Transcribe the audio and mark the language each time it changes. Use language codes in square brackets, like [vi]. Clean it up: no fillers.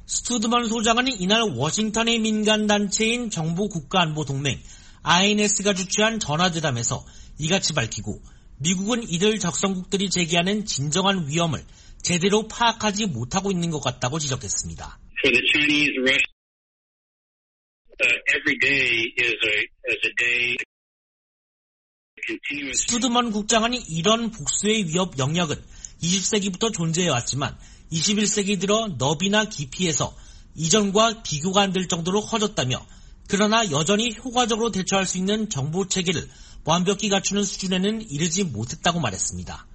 [ko] 스튜드먼 소장은 이날 워싱턴의 민간단체인 정보국가안보동맹 INS가 주최한 전화대담에서 이같이 밝히고 미국은 이들 적성국들이 제기하는 진정한 위험을 제대로 파악하지 못하고 있는 것 같다고 지적했습니다. [en] For the Chinese, Russia, every day is a day. [ko] 스튜드먼 국장은 이런 복수의 위협 영역은 20세기부터 존재해왔지만 21세기 들어 너비나 깊이에서 이전과 비교가 안 될 정도로 커졌다며 그러나 여전히 효과적으로 대처할 수 있는 정보 체계를 완벽히 갖추는 수준에는 이르지 못했다고 말했습니다.